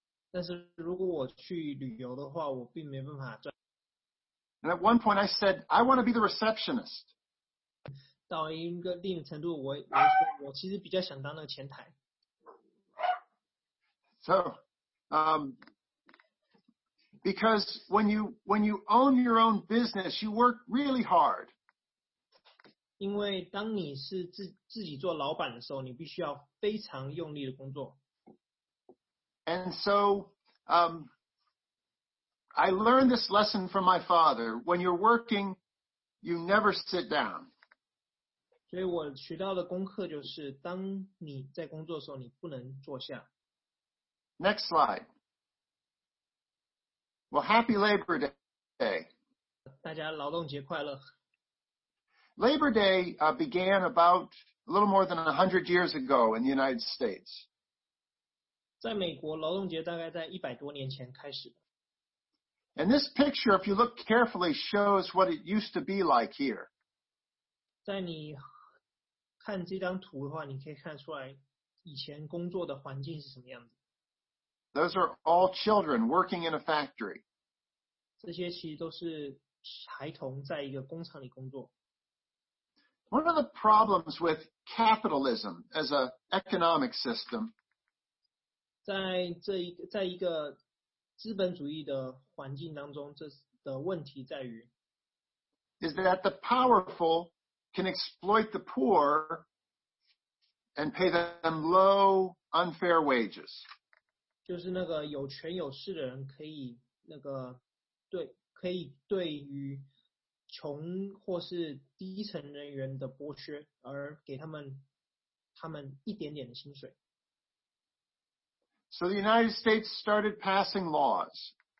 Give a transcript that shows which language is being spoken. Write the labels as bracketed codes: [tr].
[zh] 但是如果我去旅游的话，我并没办法赚。 [en] And at one point, I said, I want to be the receptionist. [zh] 到一个另一个程度，我其实比较想当那个前台。 [en] So, Because when you own your own business, you work really hard. [zh] 因为当你是自己做老板的时候，你必须要非常用力的工作。 [en] And so, I learned this lesson from my father. When you're working, you never sit down. [zh] 所以我学到的功课就是，当你在工作的时候，你不能坐下。 [en] Next slide. Well, happy Labor Day. [zh] 大家劳动节快乐。 [en] Labor Day began about a little more than 100 years ago in the United States. [zh] 在美国，劳动节大概在100多年前开始。 [en] And this picture, if you look carefully, shows what it used to be like here. [zh] 在你看这张图的话，你可以看出来以前工作的环境是什么样子。 [en] Those are all children working in a factory. [zh] 这些其实都是孩童在一个工厂里工作。 [en] One of the problems with capitalism as an economic system. [zh] 在一个资本主义的环境当中，这的问题在于 [en] is that the powerful can exploit the poor and pay them low, unfair wages. [zh] 就是那个有权有势的人可以那个对可以对于穷或是低层人员的剥削而给他们一点点的薪水。 [en] So the United States started passing laws.